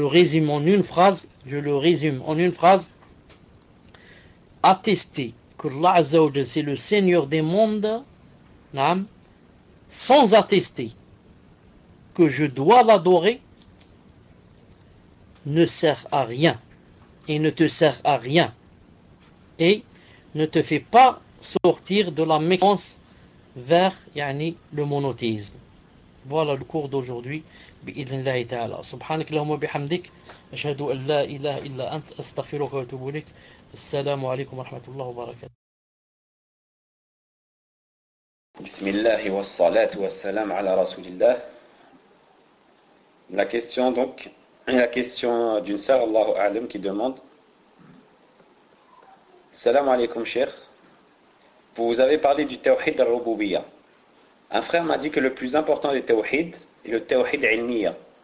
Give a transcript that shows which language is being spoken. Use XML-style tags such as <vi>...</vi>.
<fr>Je le résume en une phrase. Attester que Allah Azzawajal, c'est le Seigneur des mondes, naam, sans attester que je dois l'adorer, ne sert à rien et ne te sert à rien et ne te fait pas sortir de la méfiance vers yani, le monothéisme. Voilà le cours d'aujourd'hui.</fr> <ar>بإذن الله تعالى سبحانك اللهم وبحمدك أشهد أن لا إله إلا أنت أستغفرك وأتوب إليك السلام عليكم ورحمة الله وبركاته بسم الله والصلاة والسلام على رسول الله.</ar> <fr>La question donc, la question d'une sœur,</fr> <ar>الله أعلم,</ar> <fr>qui demande:</fr> <ar>السلام عليكم شيخ,</ar> <fr>vous avez parlé du tawhid al-rububiyya. Un frère m'a dit que le plus important des tawhid, et le tawhid ilmiya.</fr>